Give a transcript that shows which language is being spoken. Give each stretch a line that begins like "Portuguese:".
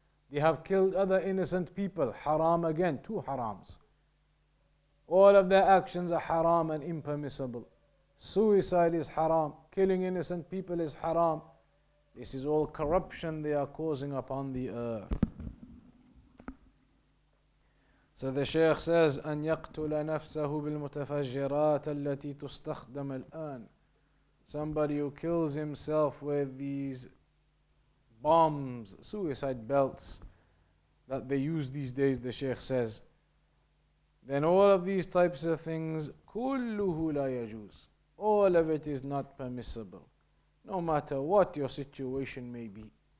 English: They have killed other innocent people. Haram again. Two harams. All of their actions are haram and impermissible. Suicide is haram. Killing innocent people is haram. This is all corruption they are causing upon the earth. So the Shaykh says,
Arabic: أن يقتل نفسه بالمتفجرات التي تستخدم الآن.
English: Somebody who kills himself with these bombs, suicide belts that they use these days, the Shaykh says, then all of these types of things,
Arabic: kulluhu la yajuz,
English: all of it is not permissible, no matter what your situation may be.